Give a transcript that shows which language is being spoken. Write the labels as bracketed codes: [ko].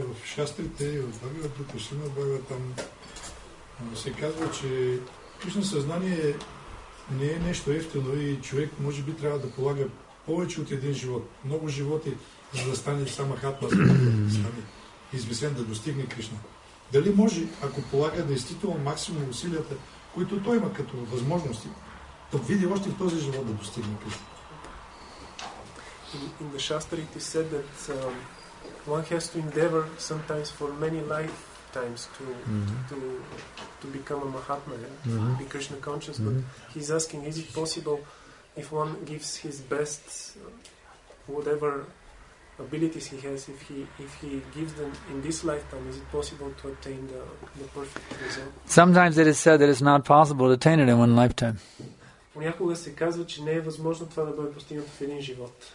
[bg] В Шастрите и в Бхагавата, Кришна Бхагаватам, се казва, че Кришна съзнание не е нещо ефтино и човек може би трябва да полага повече от един живот, много животи, за да стане сама хатма, за да стане известен, да достигне Кришна. Дали може, ако полага действително максимум усилията, които той има като възможности, да види още в този живот да достигне Кришна. [en] In the Shastra it is said that one has to endeavor sometimes for many lifetimes to become a Mahatma, be Krishna conscious. But he's asking, is it possible if one gives his best, whatever abilities he has, if he gives them in this lifetime, is it possible to attain the perfect result? Sometimes it is said that it's not possible to attain it in one lifetime. [bg] Понякога се казва, че не е възможно това да бъде постигнато в един живот.